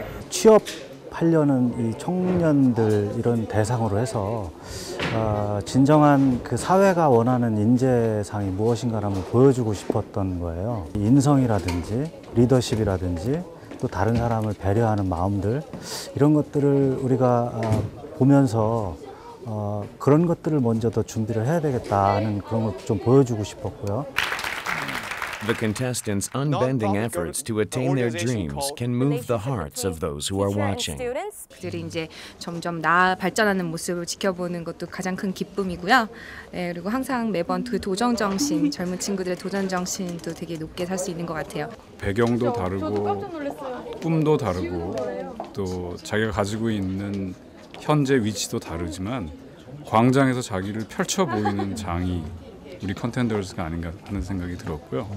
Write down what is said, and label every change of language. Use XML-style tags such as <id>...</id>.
<ko>취업하려는 이 청년들 이런 대상으로 해서 진정한 그 사회가 원하는 인재상이 무엇인가를 보여주고 싶었던 거예요. 인성이라든지 리더십이라든지 또 다른 사람을 배려하는 마음들 이런 것들을 우리가 보면서 그런 것들을 먼저 더 준비를 해야 되겠다 하는 그런 걸 좀 보여주고 싶었고요.</ko> <en>The contestants' unbending efforts to attain their dreams can move the hearts of those who are watching.</en> <ko>그들이 이제 점점 나아 발전하는 모습을 지켜보는 것도 가장 큰 기쁨이고요. 네, 그리고 항상 매번 그 도전 정신, 젊은 친구들의 도전 정신도 되게 높게 살 수 있는 것 같아요. 배경도 다르고 꿈도 다르고 또 자기가 가지고 있는 현재 위치도 다르지만 광장에서 자기를 펼쳐 보이는 장이 우리 컨텐더스가 아닌가 하는 생각이 들었고요.</ko>